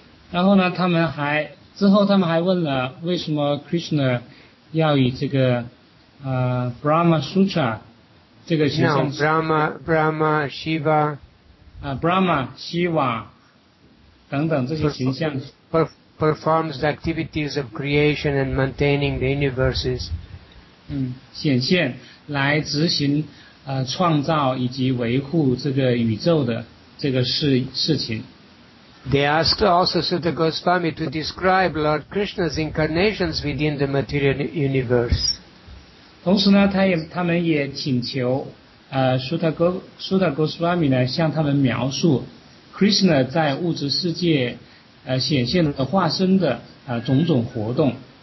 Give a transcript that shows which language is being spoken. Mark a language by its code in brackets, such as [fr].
[zh] 然后呢，他们还之后他们还问了为什么 Krishna 要以这个Brahma Sutra 这个形象。 [en] No, Brahma, Shiva. [zh] Brahma, Shiva 等等这些形象。 [en] Performs the activities of creation and maintaining the universes. [zh] 显现来执行创造以及维护这个宇宙的这个事情。 [en] They asked also Sutta Goswami to describe Lord Krishna's incarnations within the material universe. [zh] 同时呢，他们也请求Sutta Goswami 呢向他们描述 Krishna 在物质世界显现的化身的种种活动。